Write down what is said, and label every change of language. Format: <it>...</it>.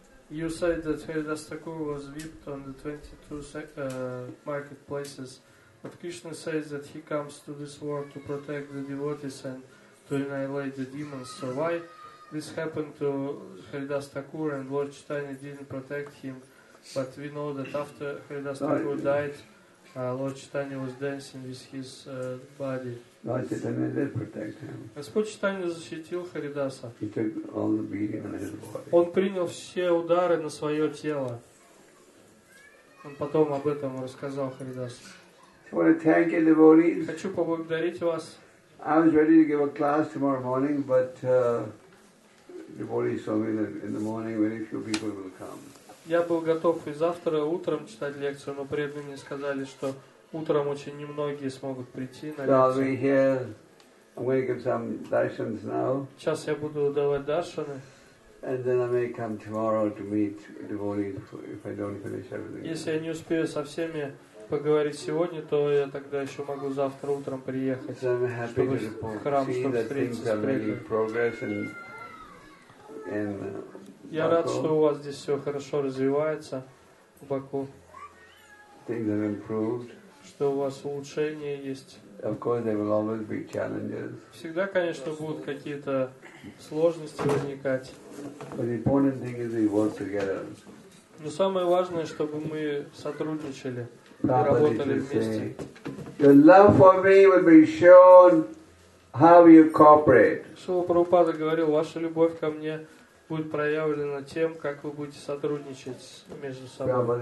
<en>You said that Haridas Thakur was whipped on the 22 marketplaces, but Krishna says that he comes to this world to protect the devotees and to annihilate the demons. So why this happened to Haridas Thakur and Lord Chaitanya didn't protect him? But we know that after Haridas Thakur died, Lord Chaitanya was dancing with his body. Lord Chaitanya did protect him.</en> <ru>Господь Читания защитил Харидаса.</ru> <en>He took all the beating on his body.</en> <ru>Он принял все удары на свое тело. Он потом об этом рассказал Харидасу.</ru> <en>I want to thank you, devotees.</en> <ru>Хочу поблагодарить вас.</ru> <en>I was ready to give a class tomorrow morning, but devotees told me that in the morning very few people will come.</en> <ru>Я был готов и завтра утром читать лекцию, но преданные мне сказали, что утром очень немногие смогут прийти на лекцию. So сейчас я буду давать даршаны. Если я не успею со всеми поговорить сегодня, то я тогда еще могу завтра утром приехать, so чтобы в храм, чтобы встретиться с преданными. Я рад, что у вас здесь все хорошо развивается в Баку.</ru> <en>Things have improved.</en> <ru>Что у вас улучшения есть.</ru> <en>Of course, there will always be challenges.</en> <ru>Всегда, конечно, будут какие-то сложности возникать.</ru> <en>But the important thing is we work together.</en> <ru>Но самое важное, чтобы мы сотрудничали и работали вместе.</ru> <en>Your love for me will be shown how you cooperate.</en> <ru>Шрила Прабхупада говорил, ваша любовь ко мне будет проявлено тем, как вы будете сотрудничать между собой.</ru>